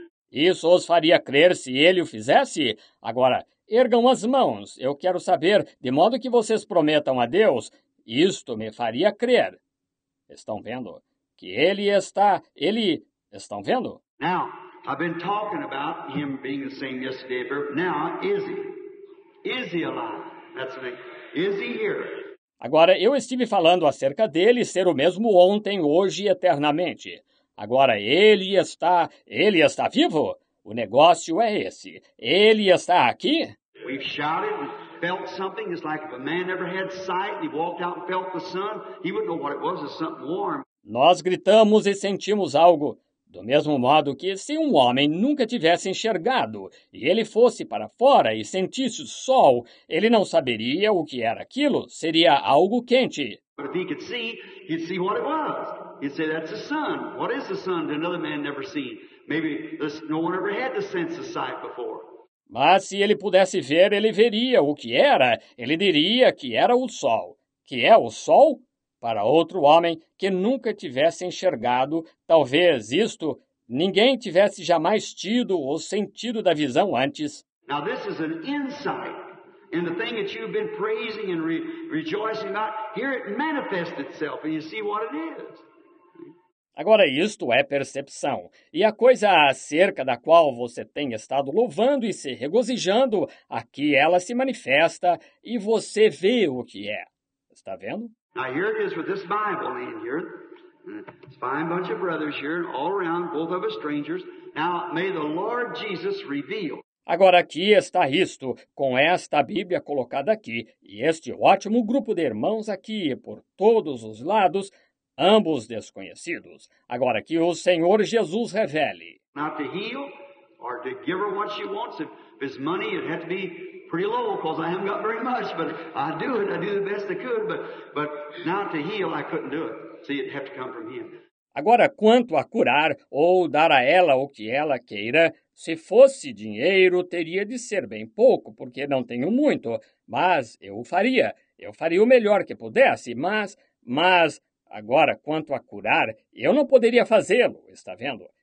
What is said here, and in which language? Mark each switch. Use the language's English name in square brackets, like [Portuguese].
[Portuguese] isso os faria crer se ele o fizesse? Agora, ergam as mãos. Eu quero saber, de modo que vocês prometam a Deus, isto me faria crer. Estão vendo? Que ele está... Ele... Estão vendo? [English] Now, I've been talking about him being the same yesterday, but now, is he? Is he alive? That's the thing. Is he here? [Portuguese] Agora, eu estive falando acerca dele ser o mesmo ontem, hoje e eternamente. Agora, ele está vivo? O negócio é esse. Ele está aqui? [English] We've shouted, we felt something. It's like if a man never had sight, he walked out and felt the sun, he wouldn't know what it was, it's something warm. [Portuguese] Nós gritamos e sentimos algo. Do mesmo modo que se um homem nunca tivesse enxergado, e ele fosse para fora e sentisse o sol, ele não saberia o que era aquilo. Seria algo quente. [English] But if he could see, he'd see what it was. He'd say, that's the sun. What is the sun that another man never seen? Maybe this, no one ever had the sense of sight before. [Portuguese] Mas se ele pudesse ver, ele veria o que era. Ele diria que era o sol. Que é o sol? Para outro homem que nunca tivesse enxergado, talvez isto, ninguém tivesse jamais tido o sentido da visão antes. [English] Now this is an insight. And the thing that you've been praising and rejoicing about, here it manifests itself and you see what it is. [Portuguese] Agora, isto é percepção. E a coisa acerca da qual você tem estado louvando e se regozijando, aqui ela se manifesta e você vê o que é. Está vendo? [English] Now, here it is with this Bible in here. It's a fine bunch of brothers here, all around, both of us strangers. Now, may the Lord Jesus reveal. [Portuguese] Agora, aqui está isto, com esta Bíblia colocada aqui e este ótimo grupo de irmãos aqui por todos os lados, ambos desconhecidos. Agora que o Senhor Jesus revele. [English] Not to heal or to give her what she wants. If it's money, it had to be pretty low because I haven't got very much, but I do it. I do the best I could, but not to heal, I couldn't do it. See, it had to come from him. [Portuguese] Agora, quanto a curar ou dar a ela o que ela queira, se fosse dinheiro, teria de ser bem pouco, porque não tenho muito, mas eu o faria. Eu faria o melhor que pudesse, mas, agora, quanto a curar, eu não poderia fazê-lo, está vendo?